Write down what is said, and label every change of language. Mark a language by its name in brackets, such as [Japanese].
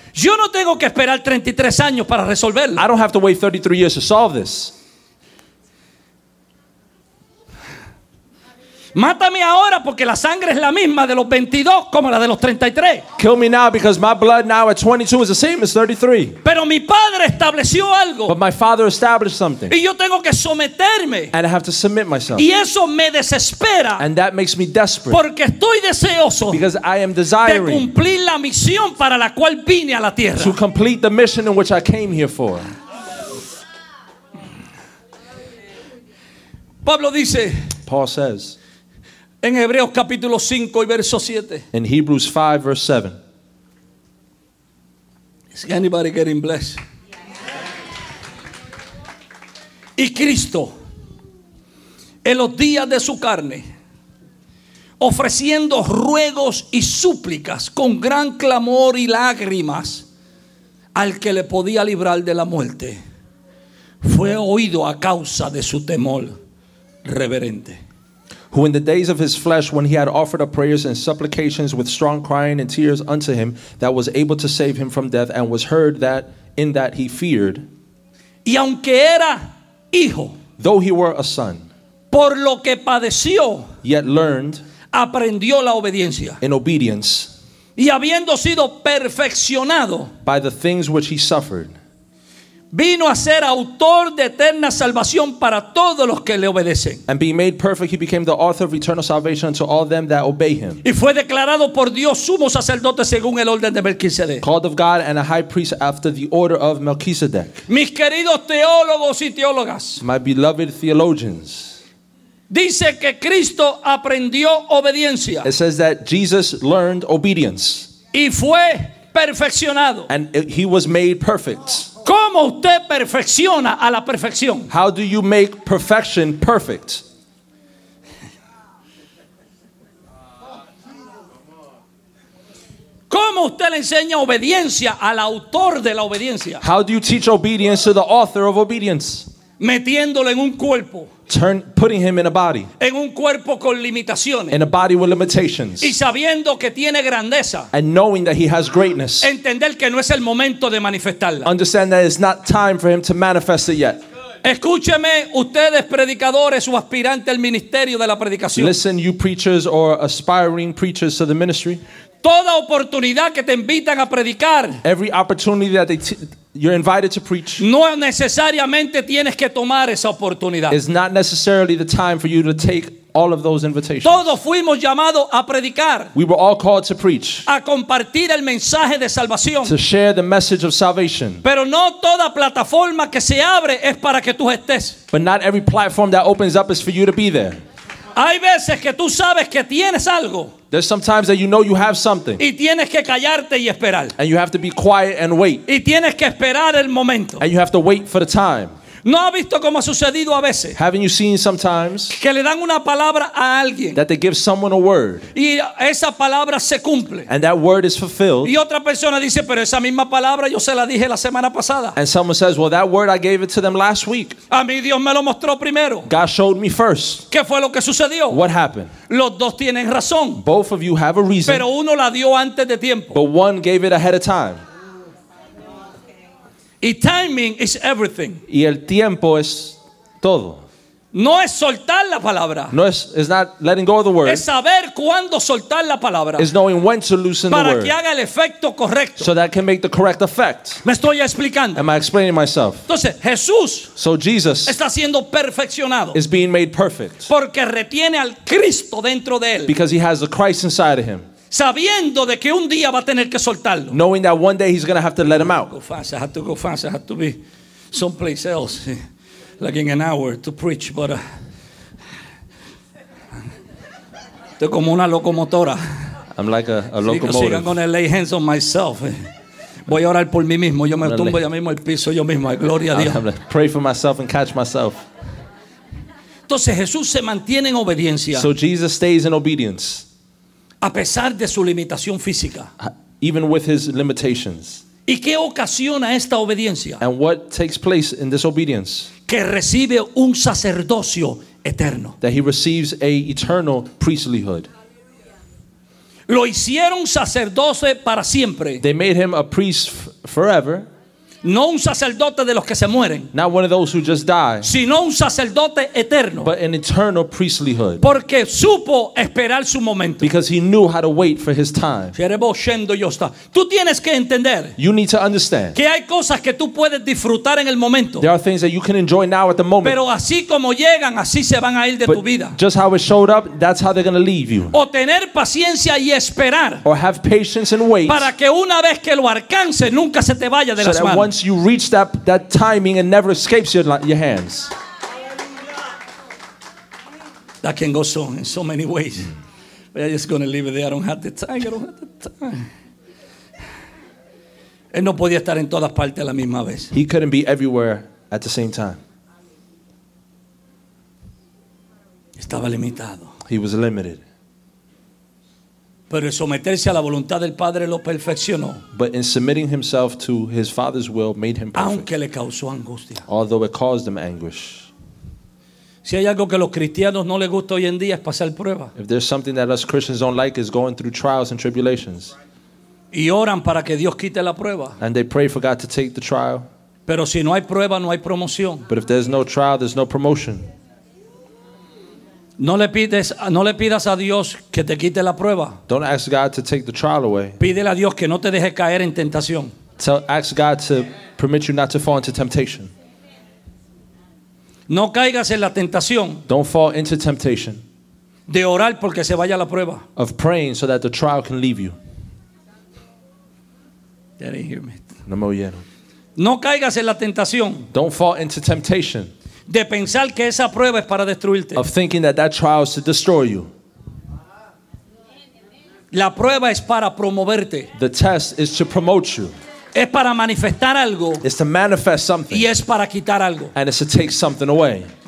[Spanish] Yo no tengo que esperar 33 años para resolverlo. [English] I don't have to wait 33 years to solve this. [Spanish] Mátame ahora porque la sangre es la misma de los 22 como la de los 33. [English] Kill me now because my blood now at 22 is the same as 33. [Spanish] Pero mi padre estableció algo. [English] But my father established something. [Spanish] Y yo tengo que someterme. [English] And I have to submit myself. [Spanish] Y eso me desespera. [English] And that makes me desperate. [Spanish] Porque estoy deseoso. [English] Because I am desiring. [Spanish] De cumplir la misión para la cual vine a la tierra. [English] To complete the mission in which I came here for. [Spanish] Pablo dice. [English] Paul says. [Spanish] En Hebreos capítulo 5 y verso 7. [English] In Hebrews 5 verse 7. Is anybody getting blessed? [Spanish] Y Cristo, en los días de su carne, ofreciendo ruegos y súplicas con gran clamor y lágrimas al que le podía librar de la muerte, fue oído a causa de su temor reverente. [English] Who in the days of his flesh, when he had offered up prayers and supplications with strong crying and tears unto him, that was able to save him from death, and was heard that in that he feared. [Spanish] Y aunque era hijo, [English] though he were a son, [Spanish] por lo que padeció, [English] yet learned, [Spanish] aprendió la obediencia, [English] in obedience, [Spanish] y habiendo sido perfeccionado, [English] by the things which he suffered, [Spanish] vino a ser autor de eterna salvación para todos los que le obedecen. [English] And being made perfect, he became the author of eternal salvation unto all them that obey him. [Spanish] Y fue declarado por Dios sumo sacerdote según el orden de Melquisedec. [English] Called of God and a high priest after the order of Melquisedec. [Spanish] Mis queridos teólogos y teólogas. [English] My beloved theologians. [Spanish] Dice que Cristo aprendió obediencia. [English] It says that Jesus learned obedience. [Spanish] Y fue perfeccionado. [English] And he was made perfect. [Spanish] ¿Cómo usted perfecciona a la perfección? [English] How do you make perfection perfect? [Spanish] ¿Cómo usted le enseña obediencia al autor de la obediencia? [English] How do you teach obedience to the author of obedience? [Spanish] Metiéndolo en un cuerpo. [English] putting him in a body. [Spanish] En un cuerpo con limitaciones. [English] In a body with limitations. [Spanish] Y sabiendo que tiene grandeza. [English] And knowing that he has greatness. [Spanish] Entender que no es el momento de manifestarla. [English] Understand that it's not time for him to manifest it yet. [Spanish] Escúcheme, ustedes predicadores o aspirantes al ministerio de la predicación. [English] Listen, you preachers or aspiring preachers to the ministry. [Spanish] Toda oportunidad que te invitan a predicar. [English] Every opportunity that you're invited to preach. [Spanish] No necesariamente tienes que tomar esa oportunidad. [English] It's not necessarily the time for you to take all of those invitations. [Spanish] Todos fuimos llamados a predicar. [English] We were all called to preach. [Spanish] A compartir el mensaje de salvación. [English] To share the message of salvation. [Spanish] Pero no toda plataforma que se abre es para que tú estés. [English] But not every platform that opens up is for you to be there. [Spanish] Hay veces que tú sabes que tienes algo. [English] There's sometimes that you know you have something. [Spanish] Y tienes que callarte y esperar. [English] And you have to be quiet and wait. [Spanish] Y tienes que esperar el momento. [English] And you have to wait for the time. [Spanish] ¿No ha visto cómo ha sucedido a veces? [English] Haven't you seen sometimes [Spanish] que le dan una palabra a alguien? [English] That they give someone a word. [Spanish] Y esa palabra se cumple. [English] And that word is fulfilled. [Spanish] Y otra persona dice, pero esa misma palabra yo se la dije la semana pasada. [English] And someone says, well, that word I gave it to them last week. [Spanish] A mí Dios me lo mostró primero. [English] God showed me first. [Spanish] ¿Qué fue lo que sucedió? [English] What happened? [Spanish] Los dos tienen razón. [English] Both of you have a reason. [Spanish] Pero uno la dio antes de tiempo. [English] But one gave it ahead of time. Y timing is everything. [Spanish] Y el tiempo es todo. No es soltar la palabra. No es, [English] it's not letting go of the word. [Spanish] Es saber cuándo soltar la palabra. [English] It's knowing when to loosen the word. [Spanish] Para que haga el efecto correcto. [English] So that can make the correct effect. [Spanish] Me estoy explicando. [English] Am I explaining myself? [Spanish] Entonces, Jesús. [English] So Jesus. [Spanish] Está siendo perfeccionado. [English] Is being made perfect. [Spanish] Porque retiene al Cristo dentro de él. [English] Because he has the Christ inside of him. [Spanish] Sabiendo de que un día va a tener que soltarlo. [English] Knowing that one day he's going to have to let him out. Go fast. I have to go fast. I have to be someplace else. Like in an hour to preach. But [Spanish] estoy como una locomotora. [English] I'm like a locomotive. I'm going to lay hands on myself. [Spanish] Voy a orar por mí mismo. Yo me tumbo ya mismo el piso yo mismo. Gloria a Dios. [English] I'm going to pray for myself and catch myself. [Spanish] Entonces Jesús se mantiene en obediencia. [English] So Jesus stays in obedience. [Spanish] A pesar de su limitación física. [English] Even with his limitations. [Spanish] ¿Y qué ocasiona esta obediencia? [English] And what takes place in this obedience? [Spanish] Que recibe un sacerdocio eterno. [English] That he receives a eternal priesthood. [Spanish] Lo hicieron sacerdote para siempre. [English] They made him a priest forever. [Spanish] No un sacerdote de los que se mueren. [English] Not one of those who just die. [Spanish] Sino un sacerdote eterno. [English] But an eternal priesthood. [Spanish] Porque supo esperar su momento. [English] Because he knew how to wait for his time. [Spanish] Tú tienes que entender. [English] You need to understand. [Spanish] Que hay cosas que tú puedes disfrutar en el momento. [English] There are things that you can enjoy now at the moment. [Spanish] Pero así como llegan, así se van a ir de [English] but [Spanish] tu vida. [English] Just how it showed up, that's how they're going to leave you. [Spanish] O tener paciencia y esperar. [English] Or have patience and wait. [Spanish] Para que una vez que lo alcance, nunca se te vaya de [English] so [Spanish] las manos. [English] Once you reach that timing, it never escapes your hands. That can go so in so many ways. But I'm just going to leave it there. I don't have the time. [Spanish] Él no podía estar en todas partes a la misma vez. [English] He couldn't be everywhere at the same time. [Spanish] Estaba limitado. [English] He was limited. [Spanish] Pero someterse a la voluntad del Padre lo perfeccionó. [English] But in submitting himself to his Father's will made him perfect. [Spanish] Aunque le causó angustia. [English] Although it caused him anguish. [Spanish] Si hay algo que los cristianos no les gusta hoy en día es pasar pruebas. [English] If there's something that us Christians don't like is going through trials and tribulations. [Spanish] Y oran para que Dios quite la prueba. [English] And they pray for God to take the trial. [Spanish] Pero si no hay prueba, no hay promoción. [English] But if there's no trial, there's no promotion. [Spanish] No le pidas a Dios que te quite la prueba. [English] Don't ask God to take the trial away. [Spanish] Pídele a Dios que no te deje caer en tentación. [English] Ask God to permit you not to fall into temptation. [Spanish] No caigas en la tentación. [English] Don't fall into temptation. [Spanish] De orar porque se vaya la prueba. [English] Of praying so that the trial can leave you. They didn't hear me. [Spanish] No me oyeron. No caigas en la tentación. [English] Don't fall into temptation. [Spanish] De pensar que esa prueba es para destruirte. [English] Of thinking that trial is to destroy you. [Spanish] La prueba es para promoverte. [English] The test is to promote you. [Spanish] Es para manifestar algo. [English] It's to manifest something. [Spanish] Y es para quitar algo. [English] And it's to take something away.